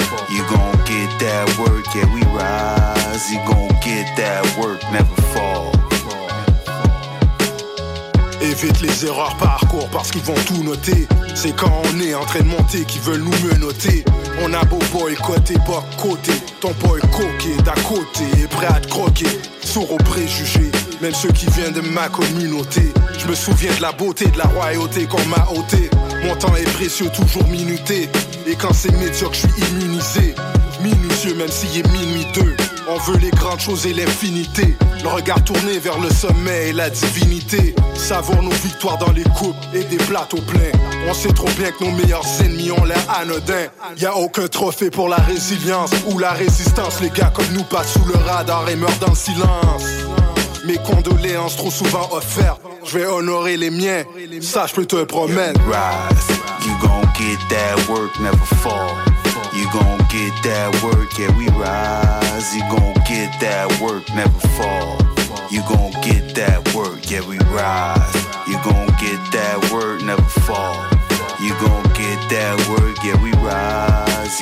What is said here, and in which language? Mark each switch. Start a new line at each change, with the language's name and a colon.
English: You gon' get that work, yeah, we rise. You gon' get that work, never fall.
French: Évite les erreurs parcours parce qu'ils vont tout noter. C'est quand on est en train de monter qu'ils veulent nous menoter. On a beau boycotter, pas côté. Ton boy coqué d'à côté est prêt à te croquer. Sourd aux préjugés, même ceux qui viennent de ma communauté. Je me souviens de la beauté, de la royauté qu'on m'a ôté. Mon temps est précieux, toujours minuté. Et quand c'est médiocre, je suis immunisé. Minutieux, même s'il est minuit deux. On veut les grandes choses et l'infinité. Le regard tourné vers le sommet et la divinité. Savons nos victoires dans les coupes et des plateaux pleins. On sait trop bien que nos meilleurs ennemis ont l'air anodins. Y'a aucun trophée pour la résilience ou la résistance. Les gars comme nous passent sous le radar et meurent dans le silence. Mes condoléances trop souvent offertes. Je vais honorer les miens, ça je peux te promettre.
English: Yeah, rise, you gon' get that work, never fall. You gon' get that work, yeah we rise. You gon' get that work, never fall. You gon' get that work, yeah we rise. You gon' get that work, never fall. You gon' get that work, yeah we rise.